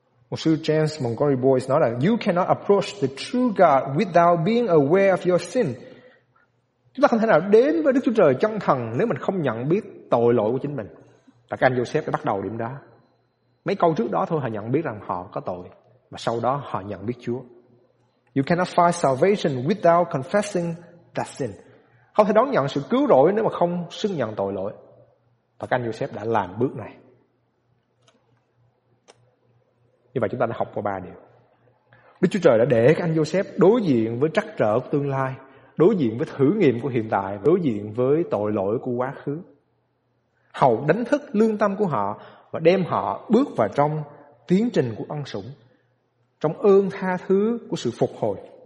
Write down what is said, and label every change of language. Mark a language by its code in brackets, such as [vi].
[vi] Một sư [en] James Montgomery Boyce [vi] nói là [en] "You cannot approach the true God without being aware of your sin." [vi] Chúng ta không thể nào đến với Đức Chúa Trời chân thần nếu mình không nhận biết tội lỗi của chính mình. Và các anh Joseph đã bắt đầu điểm đó. Mấy câu trước đó thôi họ nhận biết rằng họ có tội, và sau đó họ nhận biết Chúa. [en] "You cannot find salvation without confessing that sin." [vi] Không thể đón nhận sự cứu rỗi nếu mà không xưng nhận tội lỗi. Và các anh Joseph đã làm bước này. Như vậy chúng ta đã học qua ba điều. Đức Chúa Trời đã để các anh Joseph đối diện với trắc trở của tương lai, đối diện với thử nghiệm của hiện tại, đối diện với tội lỗi của quá khứ, hầu đánh thức lương tâm của họ và đem họ bước vào trong tiến trình của ân sủng, trong ơn tha thứ của sự phục hồi.